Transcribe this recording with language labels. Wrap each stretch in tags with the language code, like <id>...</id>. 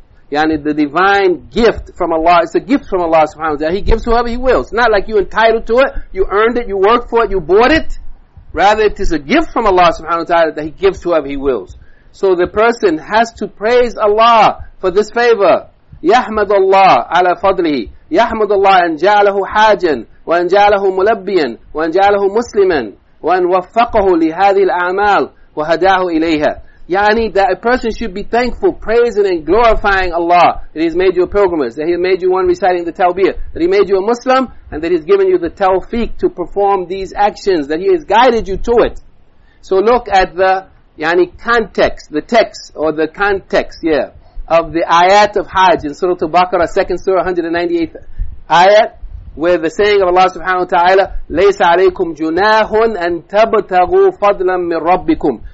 <en>Yani the divine gift from Allah. It's a gift from Allah subhanahu wa ta'ala. He gives whoever He wills. It's not like you're entitled to it, you earned it, you worked for it, you bought it. Rather, it is a gift from Allah subhanahu wa ta'ala that He gives whoever He wills. So the person has to praise Allah for this favor.</en> <ar>يحمد الله على فضله يحمد الله أن جعله حاجا وأن جعله ملبيا وأن جعله مسلما وأن وفقه لهذه الأعمال وهداه إليها.</ar> <en>Yani that a person should be thankful, praising and glorifying Allah that He's made you a pilgrimage, that He made you one reciting the Tawbiyah, that He made you a Muslim, and that He's given you the Tawfiq to perform these actions, that He has guided you to it. So look at the yani context, the text or the context, yeah, of the ayat of Hajj in Surah Al-Baqarah, 2nd Surah, 198th ayat, where the saying of Allah subhanahu wa ta'ala,</en> <ar>لَيْسَ عَلَيْكُمْ جُنَاهٌ أَن تَبْتَغُوا فَضْلًا مِّن رَبِّكُمْ.</ar>